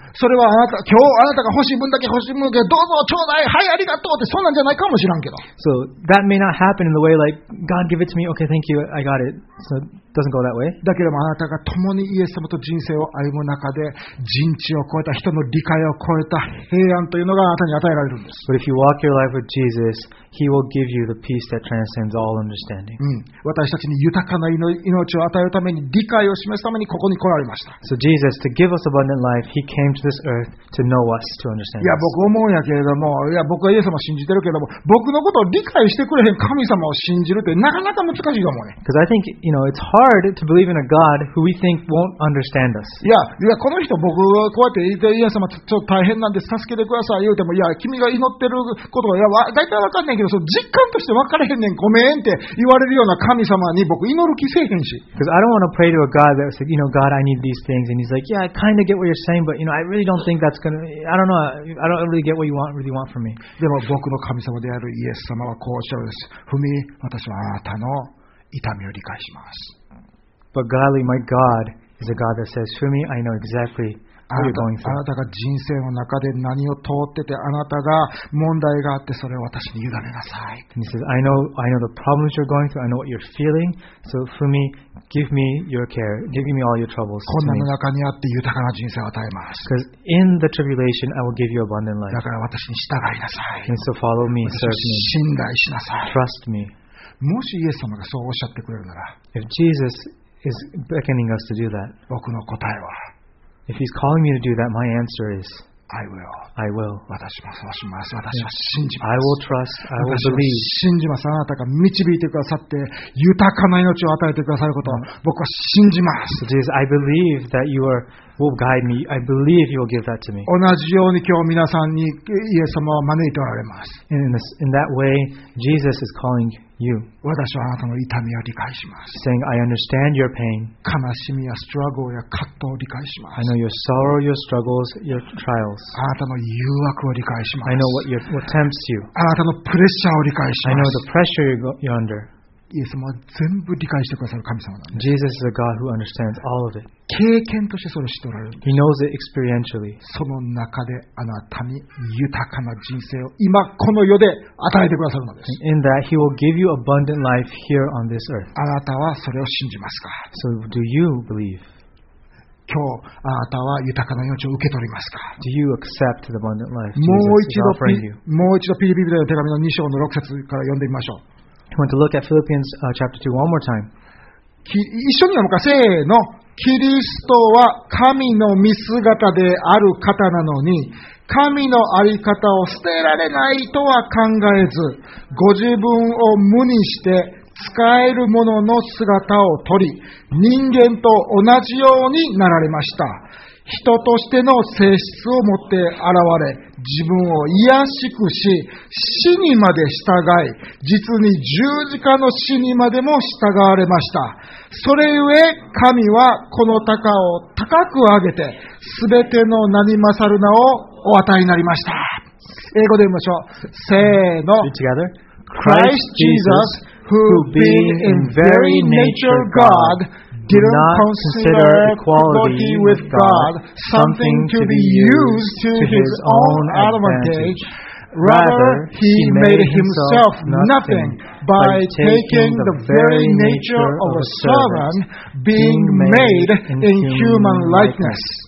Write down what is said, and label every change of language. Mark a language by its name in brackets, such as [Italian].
[Japanese] それはあなた、今日あなたが欲しい分だけ欲しい分だけどうぞちょうだい、はいありがとうって、そんなんじゃないかもしらんけど。 [English] So that may not happen in the way like, God give it to me, okay thank you, I got it. So it doesn't go that way. [Japanese] だけどもあなたが共にイエス様と人生を歩む中で、人知を超えた、人の理解を超えた平安というのがあなたに与えられるんです。 [English] But if you walk your life with Jesus, he will give you the peace that transcends all understanding. [Japanese] うん。私たちに豊かな命を与えるために、理解を示すためにここに来られました。 [English] So Jesus, to give us abundant life, he came to this earth to know us, to understand us. [Japanese] いや、僕思うんやけれども、いや、僕はイエス様を信じてるけれども、僕のことを理解してくれへん神様を信じるってなかなか難しいと思うね。 [English] Because I think, you know, it's hard to believe in a God who we think won't understand us. [Japanese] いや、いや、この人僕こうやって言ってイエス様ちょっと大変なんです、助けてください言うても、いや、君が祈ってることは、いや、大体わかんねんけど、その実感として分かれへんねん、ごめんって言われるような神様に僕祈る気せえへんし。 [English] Because I don't want to pray to a God that said, you know, God, I need these things. And he's like, yeah, I kind of get what you're saying, but, you know, I really don't think that's gonna. I don't know. I don't really get what you want. Really want from me. [Japanese] でも僕の神様であるイエス様はこうおっしゃるんです。ふみ、私はあなたの痛みを理解します。 [English] But Godly, my God is a God that says, ふみ, I know exactly what you're going through. [Japanese] あなたが人生の中で何を通ってて、あなたが問題があって、それを私に委ねなさい。 [English] And he says, I know the problems you're going through. I know what you're feeling. So, ふみ。Give me your care. Give me all your troubles. [Japanese] 困難の中にあって豊かな人生を与えます。 [English] Because in the tribulation, I will give you abundant life. [Japanese] だから私に従いなさい。 [English] And so follow me, serve me. [Japanese] 信頼しなさい。 [English] Trust me. [Japanese] もしイエス様がそうおっしゃってくれるなら、 [English] If Jesus is beckoning us to do that, [Japanese] 僕の答えは、 [English] If he's calling me to do that, my answer is, I will. [Japanese] 私もそうします。私は信じます。 [English] I will trust. I will believe. [Japanese] 信じます。あなたが導いてくださって豊かな命を与えてくださることを僕は信じます。 [English] So、Jesus, I believe that you are will guide me. I believe you will give that to me. [Japanese] 同じように今日皆さんにイエス様を招いておられます。 [English] In that way, Jesus is calling you. [Japanese] 私はあなたの痛みを理解します。 [English] Saying I understand your pain. [Japanese] 悲しみやストラッグルや葛藤を理解します。 [English] I know your sorrow, your struggles, your trials. [Japanese] あなたの誘惑を理解します。 [English] I know what tempts you. [Japanese] あなたのプレッシャーを理解します。 [English] I know the pressure you're under. [Japanese] イエス様は全部理解してくださる神様なんです。 [English] Jesus is a God who understands all of it. [Japanese] 経験としてそれを知っておられるんです。 [English] He knows it experientially. [Japanese] その中であなたに豊かな人生を今この世で与えてくださるのです。 [English] In that, He will give you abundant life here on this earth. [Japanese] あなたはそれを信じますか? [English] So do you believe? [Japanese] 今日あなたは豊かな命を受け取りますか? [English] Do you accept the abundant life Jesus is offering you? [Japanese] もう一度ピリピ人への手紙の2章の6節から読んでみましょう。 [English] I want to look at Philippians chapter 2 one more time. [Japanese] 一緒に読むか。せーの。キリストは神の御姿である方なのに、神のあり方を捨てられないとは考えず、ご自分を無にして使えるものの姿を取り、人間と同じようになられました。人としての性質を持って現れ、自分を卑しくし、死にまで従い、実に十字架の死にまでも従われました。それゆえ、神はこの高を高く上げて、すべての名に勝る名をお与えになりました。英語で言いましょう。せーの。 [English] Christ Jesus, who being in very nature God,Did not consider equality with God something to be used to his own advantage. Rather, he made himself nothing by taking the very nature of a servant, being made in human likeness.